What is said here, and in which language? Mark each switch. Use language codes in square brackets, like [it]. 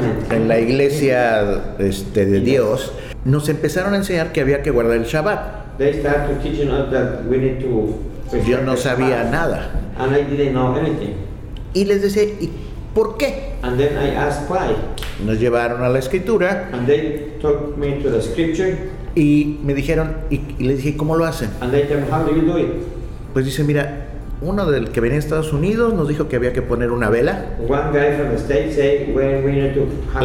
[es] En la iglesia de Dios nos empezaron a enseñar que había que guardar el Shabbat. [en] They start to teach us that we need to respect. [es] Yo no sabía Shabbat, nada. [en] And I didn't know anything. [es] Y les decía, ¿y por qué? [en] And then I asked why. [es] Nos llevaron a la escritura. [en] And they took me to the scripture. [es] Y me dijeron, y les dije, ¿cómo lo hacen? [en] And they tell me, how do you do it? [es] Pues dice, mira, uno del que venía de Estados Unidos nos dijo que había que poner una vela. [en] One guy from the States say when we need to have.